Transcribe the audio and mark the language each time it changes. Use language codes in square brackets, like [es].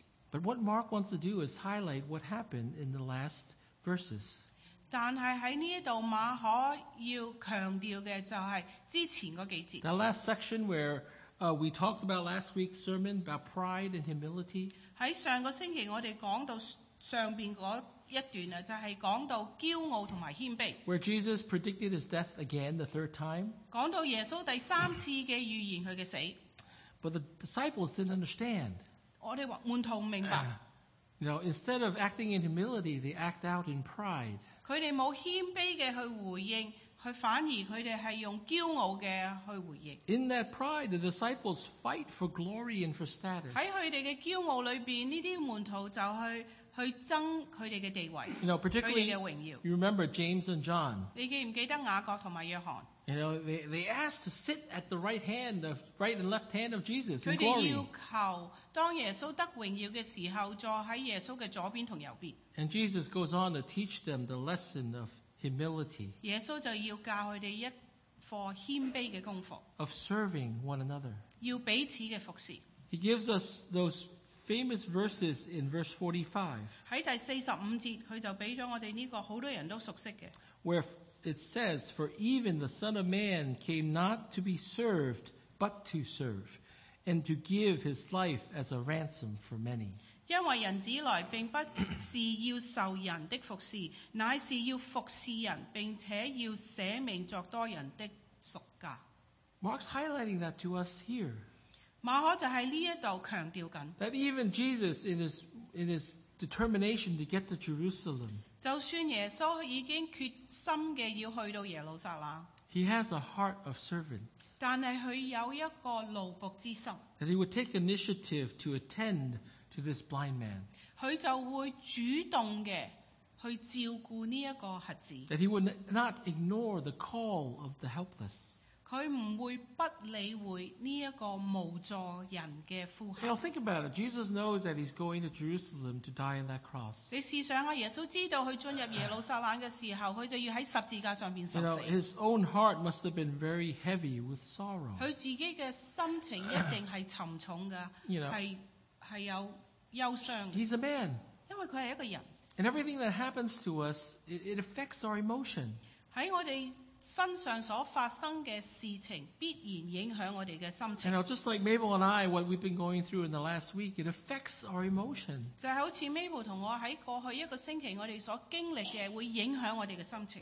[en] But what Mark wants to do is highlight what happened in the last verses. [zh] 但是在这里马可要强调的就是之前那几节。 [en] The last section where we talked about last week's sermon about pride and humility. [zh] 在上个星期我们讲到上面那一段就是讲到骄傲和谦卑。 [en] Where Jesus predicted his death again the third time. [zh] 讲到耶稣第三次的预言他的死。 [en] But the disciples didn't understand. [zh] 我们门徒不明白。 [en] You know, instead of acting in humility, they act out in pride. [zh] 他们没有谦卑的去回应，反而他们是用骄傲的去回应。 [en] In that pride, the disciples fight for glory and for status. [zh] 在他们的骄傲里面，这些门徒就去争他们的地位， [en] you know, particularly, [zh] 他们的荣耀。 [en] You remember James and John. [zh] 你记不记得雅各和约翰？ [en] You know, they asked to sit at the right hand, the right and left hand of Jesus in glory. [zh] 他们要求当耶稣得荣耀的时候，坐在耶稣的左边和右边。 [en] And Jesus goes on to teach them the lesson of humility. [zh] 耶稣就要教他们一课谦卑的功课。 [en] Of serving one another. [zh] 要彼此的服侍。 [en] He gives us those famous verses in verse 45. [zh] 在第45节，他就给了我们这个很多人都熟悉的。 [en] Where it says, for even the Son of Man came not to be served, but to serve, and to give his life as a ransom for many. [zh] 因为人子来并不是要受人的服侍，乃是要服侍人，并且要舍命作多人的赎价。 [en] Mark's highlighting that to us here. [zh] 马可就在这里强调着。 [en] That even Jesus in his determination to get to Jerusalem. [zh] 就算耶稣已经决心的要去到耶路撒冷。 [en] He has a heart of servant. [zh] 但是他有一个奴仆之心。 [en] That he would take initiative to attend to this blind man. [zh] 他就会主动的去照顾这个瞎子。 [en] That he would not ignore the call of the helpless. [zh] 他不会不理会这个无助人的呼喊。 [en] Now think about it. Jesus knows that he's going to Jerusalem to die on that cross. [zh] 你试想耶稣知道他进入耶路撒冷的时候，他就要在十字架上面受死。 [en] You know, his own heart must have been very heavy with sorrow. [zh] 他自己的心情一定是沉重的，是有忧伤的。 [en] He's a man. [zh] 因为他是一个人。 [en] And everything that happens to us, it affects our emotion. [zh] 在我们身上所发生的事情必然影响我们的心情。 [en] You know, just like Mabel and I, what we've been going through in the last week, it affects our emotion. [zh] 就好像 Mabel 和我在过去一个星期我们所经历的会影响我们的心情。